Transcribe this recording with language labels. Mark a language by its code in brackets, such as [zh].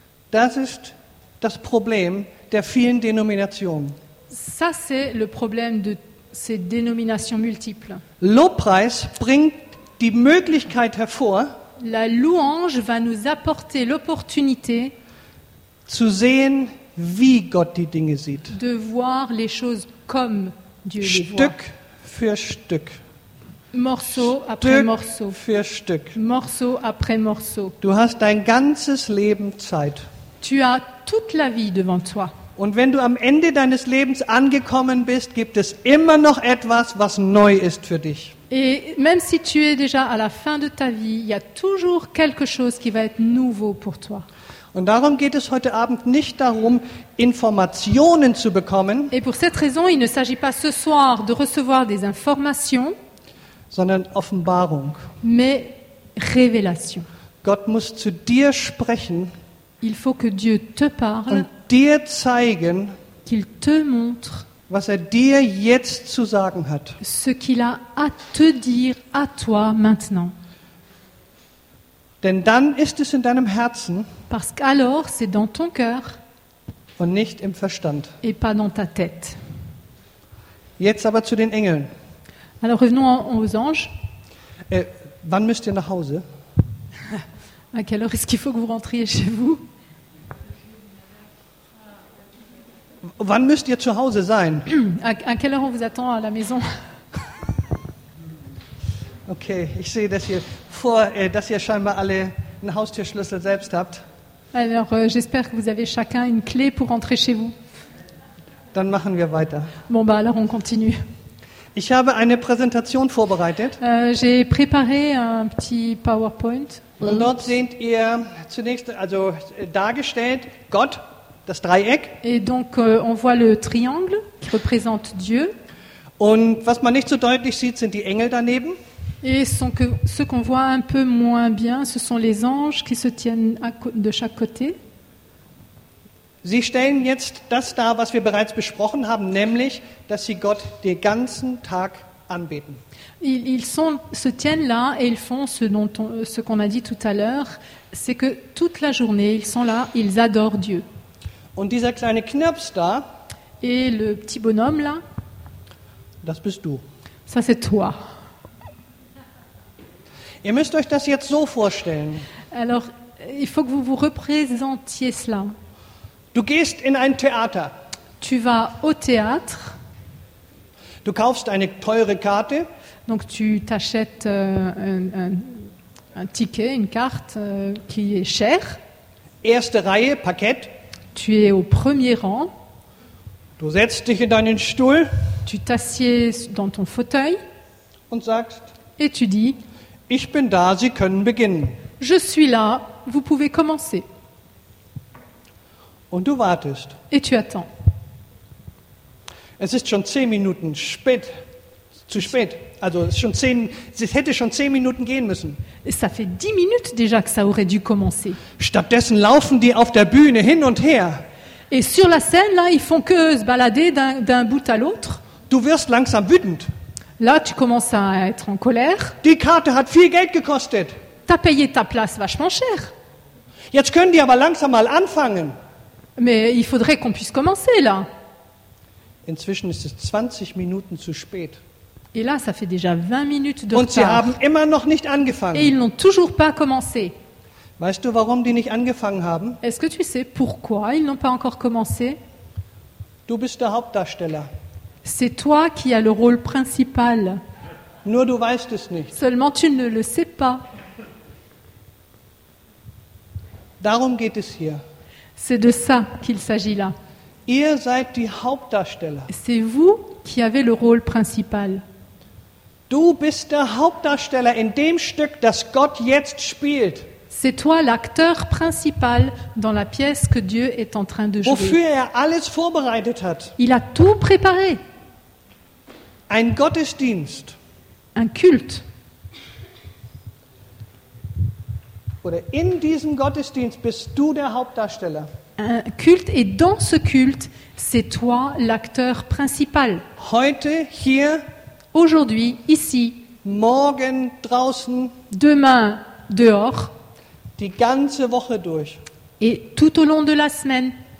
[de] Das ist das Problem der vielen Denominationen. [fr] Ça c'est le problème de ces dénominations multiples. [de] Lobpreis bringt die Möglichkeit hervor. [fr] La louange va nous apporter l'opportunité [de] zu sehen, wie Gott die Dinge sieht. [fr] De voir les choses comme Dieu les voit. [de] Stück für Stück. [fr] Morceau après morceau. [de] Stück für Stück. [fr] Morceau après morceau. [de] Du hast dein ganzes Leben Zeit. [fr] Tu as toute la vie devant toi. [de] Und wenn du am Ende deines Lebens angekommen bist, gibt es immer noch etwas, was neu ist für dich. [fr] Et même si tu es déjà à la fin de ta vie, il y a toujours quelque chose qui va être nouveau pour toi. [de] Und darum geht es heute Abend nicht darum, Informationen zu bekommen. [fr] Et pour cette raison, il ne s'agit pas ce soir de recevoir des informations, [de] sondern Offenbarung. [fr] Mais révélation. [de] Gott muss zu dir sprechen. [fr] Il faut que Dieu te parle, [de] und dir zeigen, [fr] qu'il te montre, [de] was er dir jetzt zu sagen hat. [fr] Ce qu'il a à te dire à toi maintenant. [de] Denn dann ist es in deinem Herzen. [fr] Parce qu'alors c'est dans ton cœur. [de] Und nicht im Verstand. [fr] Et pas dans ta tête. [de] Jetzt aber zu den Engeln. [fr] Alors revenons aux anges. [de] Wann müsst ihr nach Hause? [fr] À quelle heure est-ce qu'il faut que vous rentriez chez vous? [de] Wann müsst ihr zu Hause sein? [fr] À quelle heure on vous attend à la maison? [de] Okay, ich sehe, dass ihr vor, dass ihr scheinbar alle einen Haustürschlüssel selbst habt. [fr] Alors, j'espère que vous avez chacun une clé pour rentrer chez vous. [de] Dann machen wir weiter. [fr] Bon, bah, alors on continue. [de] Ich habe eine Präsentation vorbereitet. [fr] J'ai préparé un petit PowerPoint. [de] Und dort seht ihr zunächst, also dargestellt, Gott, das Dreieck. [fr] Et donc, on voit le triangle qui représente Dieu. [de] Und was man nicht so deutlich sieht, sind die Engel daneben. [fr] Et ce qu'on voit un peu moins bien, ce sont les anges qui se tiennent de chaque côté. [de] Sie stellen jetzt das dar, was wir bereits besprochen haben, nämlich, dass sie Gott den ganzen Tag anbeten. [fr] Se tiennent là et ils font ce qu'on a dit tout à l'heure, c'est que toute la journée, ils sont là, ils adorent Dieu. [de] Und dieser kleine Knirps da, [fr] et le petit bonhomme là, [de] das bist du. [fr] Ça c'est toi. [de] Ihr müsst euch das jetzt so vorstellen. [fr] Alors, il faut que vous vous représentiez cela. [de] Du gehst in ein Theater. [fr] Tu vas au théâtre. [de] Du kaufst eine teure Karte. [fr] Donc tu t'achètes un ticket, une carte qui est chère. [de] Erste Reihe, Parkett. [fr] Tu es au premier rang. [de] Du setzt dich in deinen Stuhl. [fr] Tu t'assieds dans ton fauteuil. [de] Und sagst. [fr] Et tu dis. [de] Ich bin da, Sie können beginnen. [fr] Je suis là, vous pouvez commencer. [de] Und du wartest. [fr] Et tu attends. [de] Es ist schon 10 Minuten spät. Zu spät. Also es ist schon 10, es hätte schon 10 Minuten gehen müssen. [fr] Ça fait 10 minutes déjà que ça aurait dû commencer. [de] Stattdessen laufen die auf der Bühne hin und her. [fr] Et sur la scène là, ils font que se balader d'un bout à l'autre. [de] Du wirst langsam wütend. [fr] Là, tu commences à être en colère. [de] Die Karte hat viel Geld gekostet. [fr] T'as payé ta place vachement cher. [de] Jetzt können die aber langsam mal anfangen. [fr] Mais il faudrait qu'on puisse commencer là. [de] Inzwischen ist es 20 Minuten zu spät. [fr] Et là, ça fait déjà 20 minutes de retard. [de] Und sie haben immer noch nicht angefangen. [fr] Et ils n'ont toujours pas commencé. [de] Weißt du, warum die nicht angefangen haben? [fr] Est-ce que tu sais pourquoi ils n'ont pas encore commencé? [de] Du bist der Hauptdarsteller. [fr] C'est toi qui as le rôle principal. [de] Nur du weißt es nicht. [fr] Seulement tu ne le sais pas. [de] Darum geht es hier. [fr] C'est de ça qu'il s'agit là. [de] Ihr seid die Hauptdarsteller. [fr] C'est vous qui avez le rôle principal. [de] Du bist der Hauptdarsteller in dem Stück, das Gott jetzt spielt. [fr] C'est toi l'acteur principal dans la pièce que Dieu est en train de jouer. [de] Wofür er alles vorbereitet hat. [fr] Il a tout préparé. [de] Ein Gottesdienst. [fr] Un culte. [de] Oder in diesem Gottesdienst bist du der Hauptdarsteller. [fr] Un culte et dans ce culte, c'est toi l'acteur principal. [de] Heute hier. [fr] Aujourd'hui, ici. [de] Morgen draußen. [fr] Demain, dehors. [de] Die ganze Woche durch. [fr] Et tout au long de la semaine.